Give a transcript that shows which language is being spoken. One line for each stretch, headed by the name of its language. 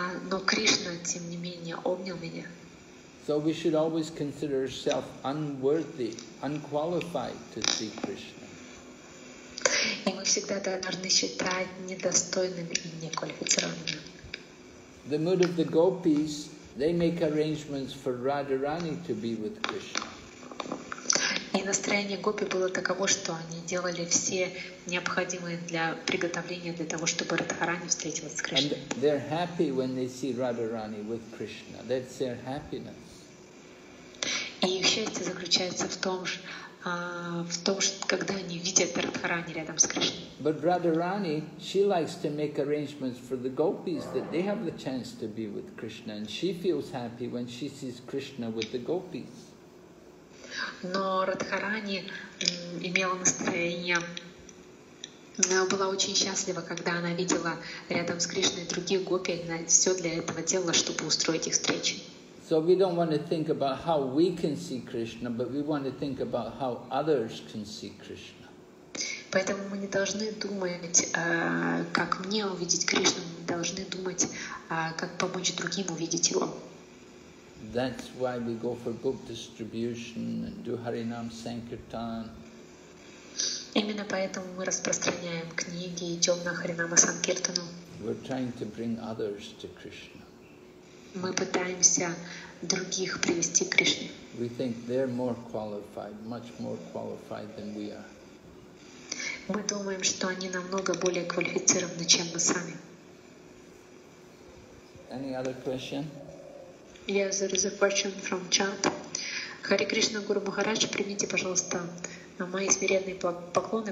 Russian: Но Кришна, тем не менее, обнял меня.
English: So we should always consider ourselves unworthy, unqualified to see Krishna.
Russian: И мы всегда должны считать недостойными и неквалифицированными.
English: The mood of the gopis, they make arrangements for Radharani to be with Krishna.
Russian: И настроение гопи было таково, что они делали все необходимые для приготовления для того, чтобы Радхарани встретилась с Кришной.
English: And they're happy when they see Radharani with Krishna. That's their happiness.
Russian: И их счастье заключается в том, что когда они видят Радхарани рядом с Кришной.
English: But Radharani, she likes to make arrangements for the gopis that they have the chance to be with Krishna, and she feels happy when she sees Krishna with the gopis.
Russian: Но Радхарани имела настроение, была очень счастлива, когда она видела рядом с Кришной других гопи, она все для этого делала, чтобы устроить их встречи.
English: So we don't want to think about how we can see Krishna, but we want to think about how others can see Krishna.
Russian: Поэтому мы не должны думать, как мне увидеть Кришну, мы должны думать, как помочь другим увидеть его.
English: That's why we go for book distribution and do Harinam Sankirtan.
Russian: Именно поэтому мы распространяем книги, идем на Харинама Санкиртану.
English: We're trying to bring others to Krishna.
Russian: Мы пытаемся других привести к Кришне.
English: We think they're more qualified, much more qualified than we are.
Russian: Мы думаем, что они намного более квалифицированы, чем мы сами.
English: Any other question? Yes, there is a question from chat. Hare Krishna Guru Maharaj,
Russian: примите, пожалуйста, мои смиренные поклоны.